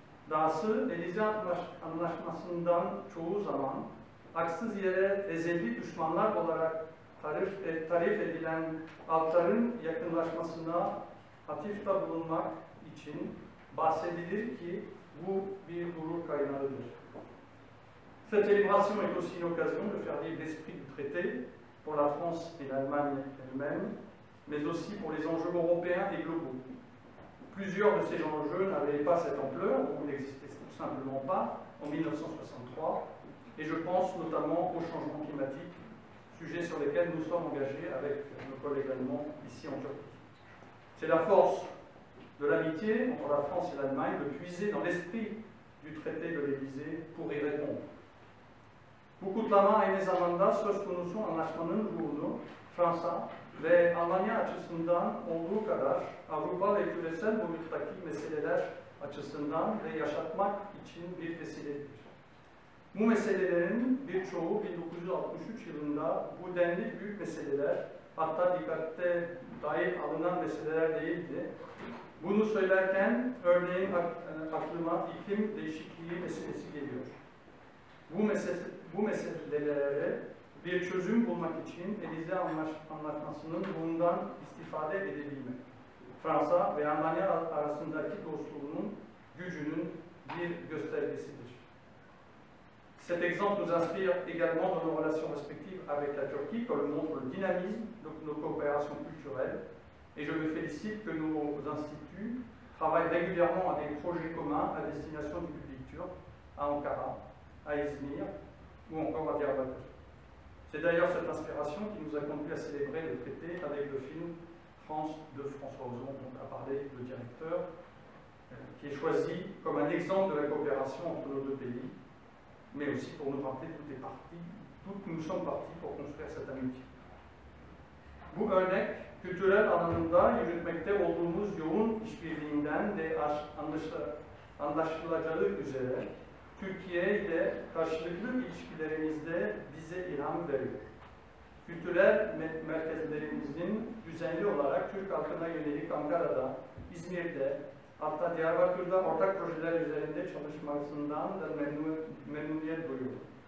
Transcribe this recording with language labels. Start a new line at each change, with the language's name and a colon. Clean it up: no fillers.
Turkish: Dahası Elize Anlaşması'ndan çoğu zaman haksız yere ezeli düşmanlar olarak tarif edilen halkların yakınlaşmasına hatifte bulunmak için bahsedilir ki bu bir gurur kaynağıdır.
French: Cette célébration est aussi une occasion de faire vivre l'esprit du traité pour la France et l'Allemagne elle-même, mais aussi pour les enjeux européens et globaux. Plusieurs de ces enjeux n'avaient pas cette ampleur ou n'existaient tout simplement pas en 1963, et je pense notamment au changement climatique, sujet sur lequel nous sommes engagés avec nos collègues allemands ici en Turquie. C'est la force de l'amitié entre la France et l'Allemagne de puiser dans l'esprit du traité de l'Élysée pour y répondre.
Turkish: Bu kutlama aynı zamanda söz konusu anlaşmanın ruhunu Fransa, ve Almanya açısından olduğu kadar Avrupa ve küresel boyuttaki meseleler açısından ve yaşatmak için bir vesiledir. Bu meselelerin birçoğu 1963 yılında bu denli büyük meseleler, hatta dikkate dair alınan meseleler değildi. Bunu söylerken örneğin aklıma iklim değişikliği meselesi geliyor. Bu meselelere bir çözüm bulmak için Elize Anlaşması'nın bundan istifade edebilmek, Fransa ve Almanya arasındaki dostluğunun gücünün bir göstergesidir.
French: Cet exemple nous inspire également dans nos relations respectives avec la Turquie, comme le montre le dynamisme de nos coopérations culturelles. Et je me félicite que nos instituts travaillent régulièrement à des projets communs à destination du public turc, à Ankara, à Izmir ou encore à Diyarbakır. C'est d'ailleurs cette inspiration qui nous a conduit à célébrer le traité avec le film France de François Ozon, dont a parlé le directeur, qui est choisi comme un exemple de la coopération entre nos deux pays. Mais aussi pour nous rappeler toutes les parties, toutes nous sommes parties pour construire cette amitié.
Turkish: Bu örnek, kültürel alanında yürütmekte olduğumuz yoğun işbirliğinden de anlaşılacağı üzere, Türkiye ile karşılıklı ilişkilerimizde bize ilham veriyor. Kültürel merkezlerimizin düzenli olarak Türk halkına yönelik Ankara'da, İzmir'de, hatta Diyarbakır'da ortak projeler üzerinde çalışmasından da memnuniyet duyuyorum.